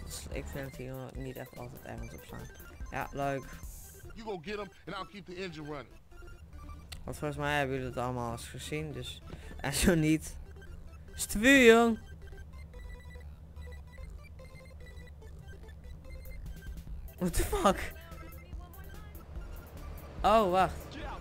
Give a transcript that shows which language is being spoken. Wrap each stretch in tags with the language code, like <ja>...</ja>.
<nl>Ik vind het hier niet echt altijd ergens op staan. Ja, leuk.</nl> <en>You go get him and I'll keep the engine running.</en> <nl>Want volgens mij hebben jullie het allemaal eens gezien, dus... En zo niet. Stuur, jong!</nl> <en>What the fuck?</en> <nl>Oh, wacht.</nl>